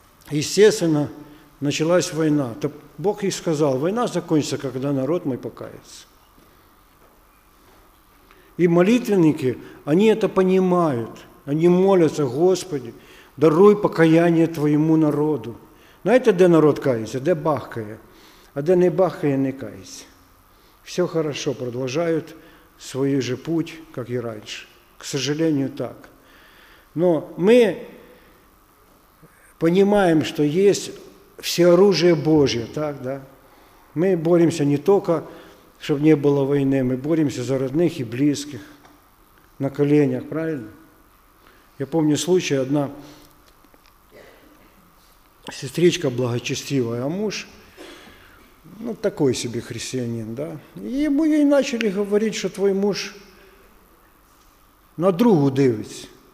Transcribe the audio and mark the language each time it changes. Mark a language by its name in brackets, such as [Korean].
[Russian] Естественно, началась война. Бог и сказал, война закончится, когда народ мой покается. И молитвенники, они это понимают. Они молятся, Господи, даруй покаяние Твоему народу. Знаете, где народ кается, где бахкает? [Ukrainian] А де не бахає, не кається. Все хорошо, продовжують свій же путь, як і раніше. [Russian] К сожалению, так. [Ukrainian] Но ми розуміємо, що є всеоружие Божье, так, да? Ми боремося не тільки, щоб не було війни, ми боремося за родних і близьких на коленях, правильно? Я пам'ятаю [Russian] случай, одна сестричка благочестивая, а муж ну, такой себе христианин, да. Ему ей начали говорить, что твой муж на другу дивится.